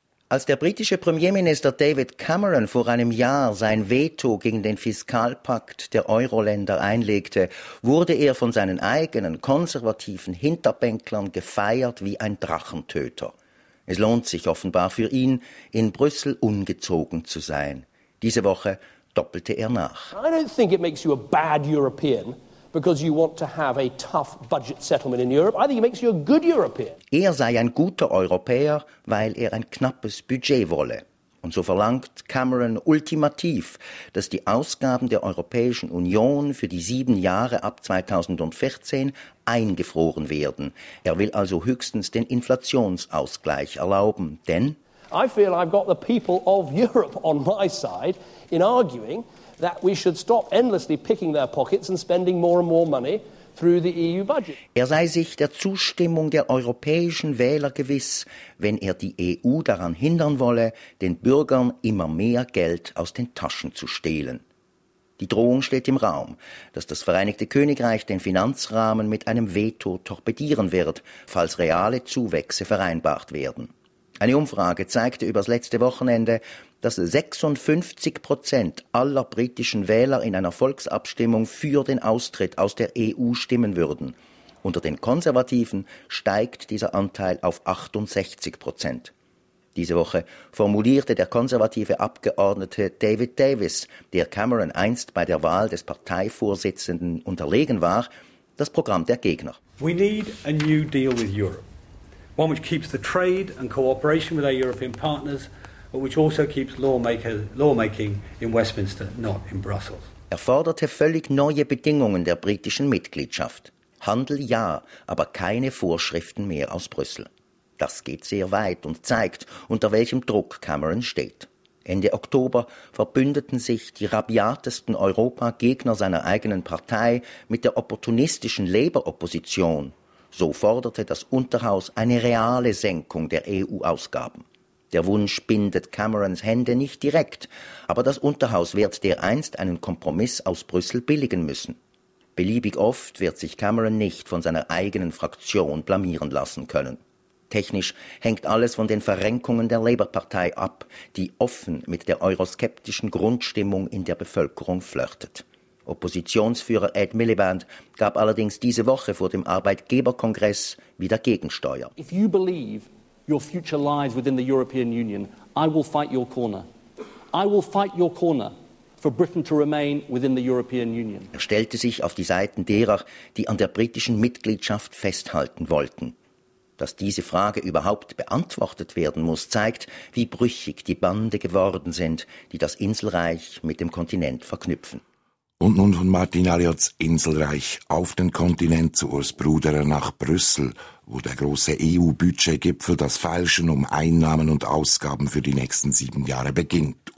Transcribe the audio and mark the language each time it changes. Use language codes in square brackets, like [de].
[de] Als der britische Premierminister David Cameron vor einem Jahr sein Veto gegen den Fiskalpakt der Euro-Länder einlegte, wurde er von seinen eigenen konservativen Hinterbänklern gefeiert wie ein Drachentöter. Es lohnt sich offenbar für ihn, in Brüssel ungezogen zu sein. Diese Woche doppelte er nach. [en] I don't think it makes you a bad European. Because you want to have a tough budget settlement in Europe. I think it makes you a good European. [de] Er sei ein guter Europäer, weil er ein knappes Budget wolle. Und so verlangt Cameron ultimativ, dass die Ausgaben der Europäischen Union für die 7 Jahre ab 2014 eingefroren werden. Er will also höchstens den Inflationsausgleich erlauben, denn [en] I feel I've got the people of Europe on my side in arguing that we should stop endlessly picking their pockets and spending more and more money through the EU budget. [de] Er sei sich der Zustimmung der europäischen Wähler gewiss, wenn er die EU daran hindern wolle, den Bürgern immer mehr Geld aus den Taschen zu stehlen. Die Drohung steht im Raum, dass das Vereinigte Königreich den Finanzrahmen mit einem Veto torpedieren wird, falls reale Zuwächse vereinbart werden. Eine Umfrage zeigte übers letzte Wochenende, dass 56% aller britischen Wähler in einer Volksabstimmung für den Austritt aus der EU stimmen würden. Unter den Konservativen steigt dieser Anteil auf 68%. Diese Woche formulierte der konservative Abgeordnete David Davis, der Cameron einst bei der Wahl des Parteivorsitzenden unterlegen war, das Programm der Gegner. [en] We need a new deal with Europe. One which keeps the trade and cooperation with our European partners, but which also keeps lawmaking in Westminster, not in Brussels. [de] Er forderte völlig neue Bedingungen der britischen Mitgliedschaft. Handel ja, aber keine Vorschriften mehr aus Brüssel. Das geht sehr weit und zeigt, unter welchem Druck Cameron steht. Ende Oktober verbündeten sich die rabiatesten Europa-Gegner seiner eigenen Partei mit der opportunistischen Labour-Opposition. So forderte das Unterhaus eine reale Senkung der EU-Ausgaben. Der Wunsch bindet Camerons Hände nicht direkt, aber das Unterhaus wird dereinst einen Kompromiss aus Brüssel billigen müssen. Beliebig oft wird sich Cameron nicht von seiner eigenen Fraktion blamieren lassen können. Technisch hängt alles von den Verrenkungen der Labour-Partei ab, die offen mit der euroskeptischen Grundstimmung in der Bevölkerung flirtet. Oppositionsführer Ed Miliband gab allerdings diese Woche vor dem Arbeitgeberkongress wieder Gegensteuer. [en] If you believe your future lies within the European Union, I will fight your corner. I will fight your corner for Britain to remain within the European Union. [de] Er stellte sich auf die Seiten derer, die an der britischen Mitgliedschaft festhalten wollten. Dass diese Frage überhaupt beantwortet werden muss, zeigt, wie brüchig die Bande geworden sind, die das Inselreich mit dem Kontinent verknüpfen. Und nun von Martin Alliots Inselreich auf den Kontinent zu Urs Bruderer nach Brüssel, wo der große EU-Budgetgipfel das Feilschen um Einnahmen und Ausgaben für die nächsten 7 Jahre beginnt.